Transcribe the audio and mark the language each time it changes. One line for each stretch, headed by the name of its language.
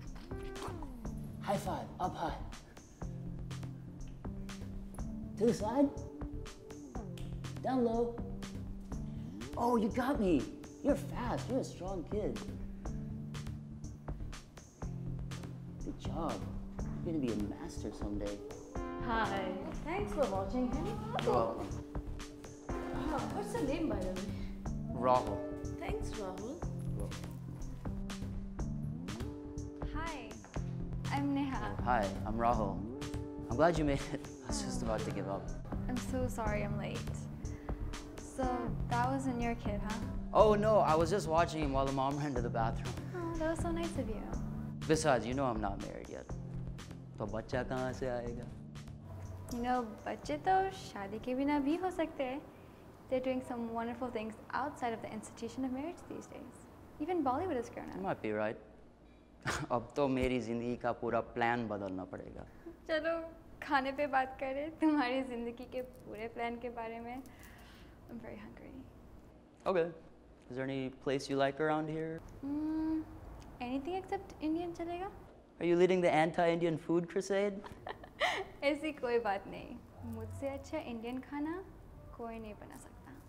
English: High five up high to the side down low oh you got me you are fast you are a strong kid good job You're gonna be a master someday. Hi. Thanks for watching him. Rahul. Oh, what's the name, by the way? Rahul. Thanks, Rahul. Hi. I'm Neha. Oh, hi. I'm Rahul. I'm glad you made it. I was just about to give up. I'm so sorry I'm late. So, that wasn't your kid, huh? Oh, no. I was just watching him while the mom ran to the bathroom. Oh, that was so nice of you. Besides, you know I'm not married yet.
Hindi: तो बच्चा कहाँ से आएगा?
English: You know,
Hindi: बच्चे तो शादी के बिना भी हो सकते हैं.
English: They're doing some wonderful things outside of the institution of marriage these days. Even Bollywood has grown up. You might be right.
Hindi: अब तो मेरी जिंदगी का पूरा प्लान बदलना पड़ेगा. चलो खाने पे बात करें तुम्हारी जिंदगी के पूरे प्लान के बारे में.
English: I'm very hungry. Okay. Is there any place you like around here? Anything except Indian
Hindi: चलेगा?
English: Are you leading the anti-Indian food crusade?
Hindi: ऐसी कोई बात नहीं. मुझसे अच्छा इंडियन खाना कोई नहीं बना सकता.